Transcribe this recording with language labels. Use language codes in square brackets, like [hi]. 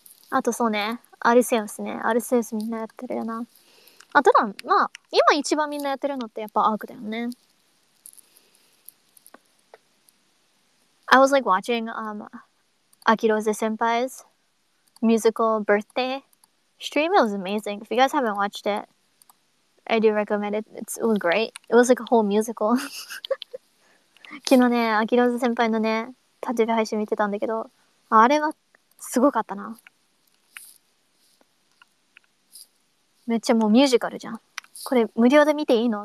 [ja] あとそうね、アルセウスね、アルセウスみんなやってるよな。あ、ただまあ今一番みんなやってるのってやっぱアークだよね。 [en] I was like watching Akiroze Senpai's musical birthday stream. It was amazing. If you guys haven't watched it. I do recommend it. It was great. It was like a whole musical. [ja] 昨日ね、アキローズ先輩のね、誕生日配信見てたんだけど、あれはすごかったな。めっちゃもうミュージカルじゃん。これ無料で見ていいの?